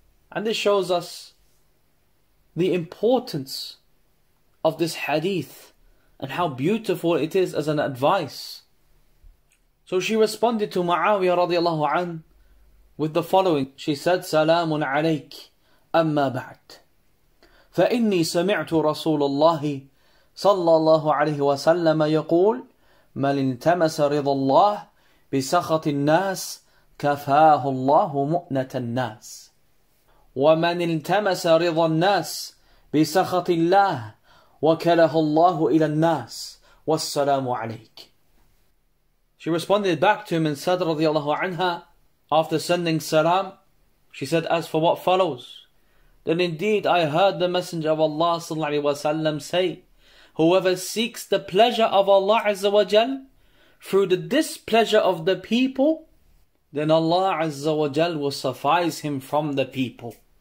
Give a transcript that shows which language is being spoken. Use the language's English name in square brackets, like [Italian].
[English] And this shows us the importance of this hadith and how beautiful it is as an advice. So she responded to Muawiyah radiallahu an with the following. She said, Salamun alayk, amma ba'd. [Arabic] فإني سمعت رسول الله صلى الله عليه وسلم يقول من التمس رضا الله بسخط الناس كفاه الله مؤنة الناس ومن التمس رضا الناس بسخط الله وكله الله إلى الناس والسلام عليك. [English] She responded back to him and said رضي الله عنها, after sending salam, she said, as for what follows, then indeed I heard the Messenger of Allah sallallahu alayhi wa sallam say, whoever seeks the pleasure of Allah azza wa jal through the displeasure of the people, then Allah azza wa jal will suffice him from the people.